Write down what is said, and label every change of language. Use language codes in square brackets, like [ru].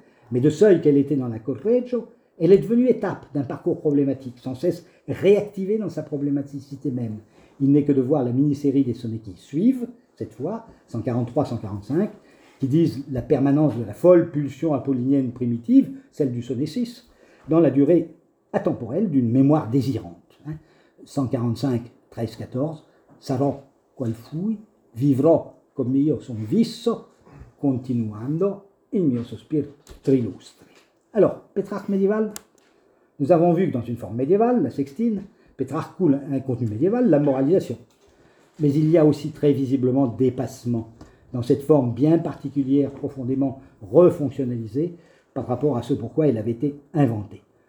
[fr] Mais de seuil qu'elle était dans la Correggio, elle est devenue étape d'un parcours problématique, sans cesse réactivé dans sa problématicité même. Il n'est que de voir la mini-série des sonnets qui suivent, cette fois, 143-145, qui disent la permanence de la folle pulsion apollinienne primitive, celle du sonnet 6, dans la durée atemporelle d'une mémoire désirante. [it] 145-13-14, sarò qual fui, vivrò come io son visso, continuando il mio sospir trilustre. [fr] Alors, Pétrarque médiéval, nous avons vu que dans une forme médiévale, la sextine, Pétrarque coule un contenu médiéval, la moralisation. Mais il y a aussi très visiblement dépassement dans cette forme bien particulière, profondément refonctionnalisée par rapport à ce pourquoi elle avait été inventée.